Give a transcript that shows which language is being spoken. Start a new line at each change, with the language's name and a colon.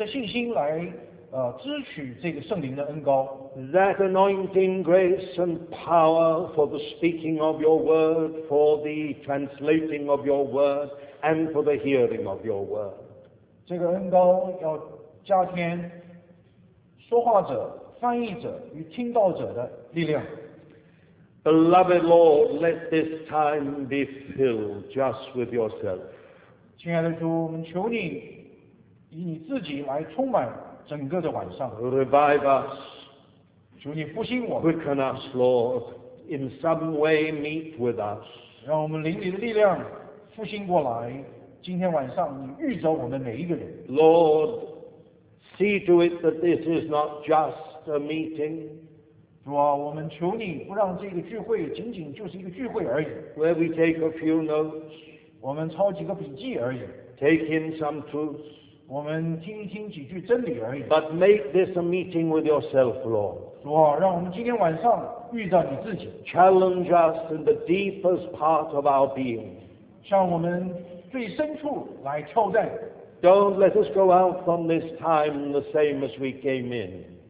Chinese: 在主耶稣基督里，我们要凭着信心来支取这个圣灵的恩膏。
English: That anointing grace and power for the speaking of your word, for the translating of your word, and for the hearing of your word.
Chinese: 这个恩膏要加添说话者、翻译者与听到者的力量。
English: Beloved Lord, let this time be filled just with yourself.
Chinese: 亲爱的主，我们求你以你自己来充满整个的晚上。
English: Revive us.
Chinese: 主你复兴我,
English: Quicken us, Lord, in some way meet with us.
Chinese: 让我们灵里的力量复兴过来, 今天晚上你预着我们每一个人。
English: Lord, see to it that this is not just a meeting.
Chinese: 主啊, 我们求你不让这个聚会仅仅就是一个聚会而已。
English: Where we take a few notes.
Chinese: 我们抄几个笔记而已。
English: Take in some truths.
Chinese: 我们听一听几句真理而已。
English: But make this a meeting with yourself, Lord.
Chinese: 主啊，让我们今天晚上遇到你自己。
English: Challenge us in the deepest part of our being.
Chinese: 向我们最深处来挑战。
English: Don't let us go out from this time the same as we came in.